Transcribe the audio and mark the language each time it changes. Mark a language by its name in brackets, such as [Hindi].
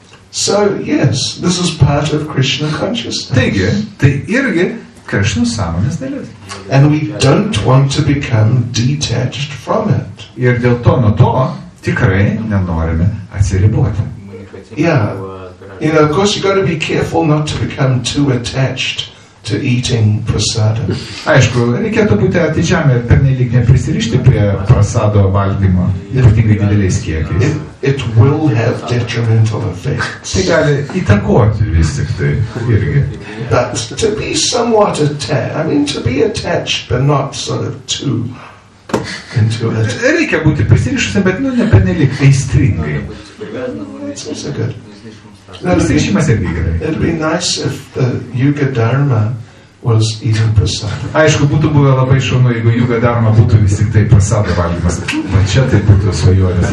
[English] So, yes, this is part of Krishna consciousness. [Lithuanian] Taigi, tai irgi Krishna sąmonės dalis. [English] And we don't want to become detached from it. [Lithuanian] Ir dėl to, nuo to, tikrai nenorime atsiriboti. [English] Yeah. You know, of course, you've got to be careful not to become too attached to eating prasadam. [Lithuanian] Aišku, reikėtų būti atidžiam ir pernelyg neprisirišti prie prasado valgymo, ypatingai dideliais kiekiais. [English] It will have detrimental effects. [Lithuanian] Tai gali įtakoti vis tik tai irgi. [English] But to be somewhat attached, I mean, to be attached, but not sort of too into it. [Lithuanian] Reikia būti prisirišusiam, bet nu ne pernelyg aistringai. Prisirišimas irgi gerai. [English] It'd be nice if the Yuga Dharma was even prasada. [Lithuanian] Aišku, būtų buvę labai šaunu, jeigu Yuga Dharma būtų vis tik tai prasada valgymas. Va čia tai būtų svajonės